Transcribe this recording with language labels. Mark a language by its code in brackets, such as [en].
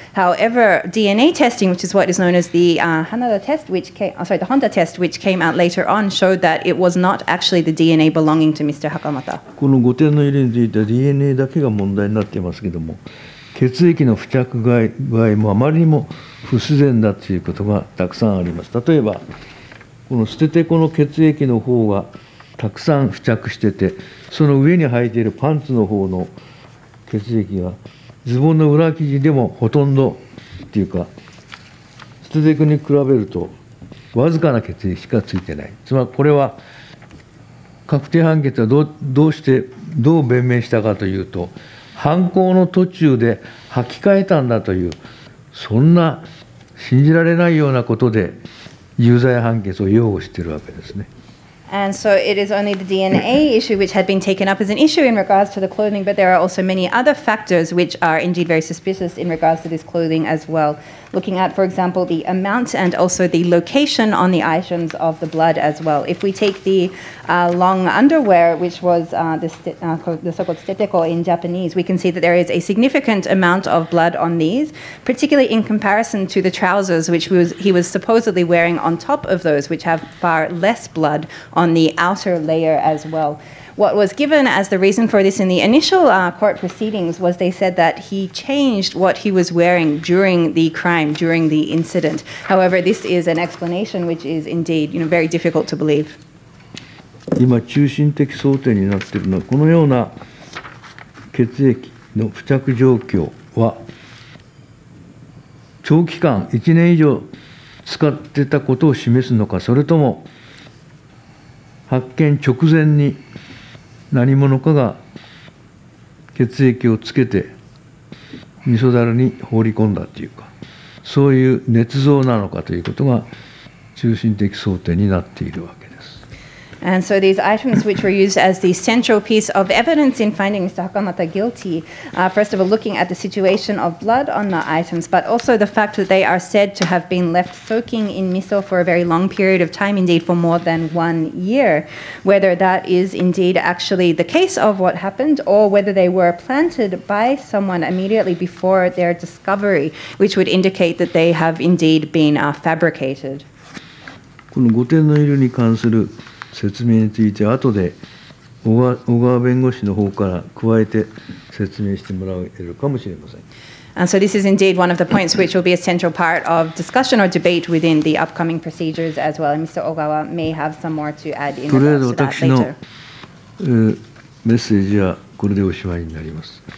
[en] However, DNA testing, which is what is known as the Honda test, which came out later on, showed that it was not actually the DNA belonging to Mr. Hakamata. [ja] この5点の入れについては DNA だけが問題になっていますけれども血液の付着具合もあまりにも不自然だということがたくさんあります例えばこの捨ててこの血液の方がたくさん付着しててその上に履いているパンツの方の血液がズボンの裏生地でもほとんどっていうか捨ててこに比べるとわずかな血液しかついてないつまりこれは確定判決はどうしてどう弁明したかというと犯行の途中で履き替えたんだというそんな信じられないようなことで有罪判決を擁護しているわけですね。 [en] And so it is only the DNA issue which had been taken up as an issue in regards to the clothing, but there are also many other factors which are indeed very suspicious in regards to this clothing as well. Looking at, for example, the amount and also the location on the items of the blood as well. If we take the long underwear, which was the so-called steteko in Japanese, we can see that there is a significant amount of blood on these, particularly in comparison to the trousers, which he was supposedly wearing on top of those, which have far less blood on the outer layer as well. What was given as the reason for this in the initial court proceedings was they said that he changed what he was wearing during the crime, during the incident. However, this is an explanation which is indeed, you know, very difficult to believe. [ja] 今中心的争点になっているのはこのような血液の付着状況は長期間1年以上使ってたことを示すのかそれとも発見直前に何者かが血液をつけて味噌だるに放り込んだっていうかそういう捏造なのかということが中心的争点になっているわけです。 [en] And so these items which were used as the central piece of evidence in finding Mr. Hakamata guilty, first of all looking at the situation of blood on the items, but also the fact that they are said to have been left soaking in miso for a very long period of time, indeed for more than one year. Whether that is indeed actually the case of what happened, or whether they were planted by someone immediately before their discovery, which would indicate that they have indeed been fabricated. [ja] この御殿の色に関する説明について後で小川弁護士の方から加えて説明してもらえるかもしれません。 [en] And so this is indeed one of the points which will be a central part of discussion or debate within the upcoming procedures as well. And Mr. Ogawa may have some more to add in about that later. [ja] 私の、メッセージはこれでおしまいになります。